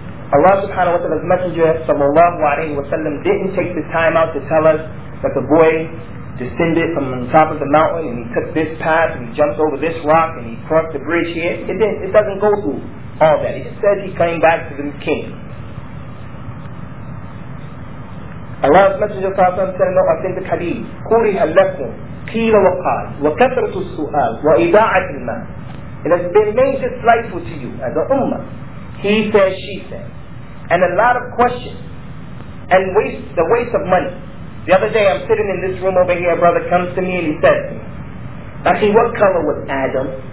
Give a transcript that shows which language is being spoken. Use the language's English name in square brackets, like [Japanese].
[English] Allah subhanahu wa ta'ala's Messenger sallallahu alayhi wa sallam didn't take the time out to tell us that the boy descended from the top of the mountain and he took this path and he jumped over this rock and he crossed the bridge here. It doesn't go through all that. It says he came back to the king. Allah's Messenger said in the authentic hadith, [Arabic] كُرِهَ لَكُمْ قِيلَ وَقَالْ وَكَثْرَةُ السُّؤَالِ وَإِضَاعَةِ الْمَالِ. [English] It has been made disliceful to you as an ummah. He said, she said. And a lot of questions. And the waste of money. The other day I'm sitting in this room over here, a brother comes to me and he says to me, Akhi, what color was Adam?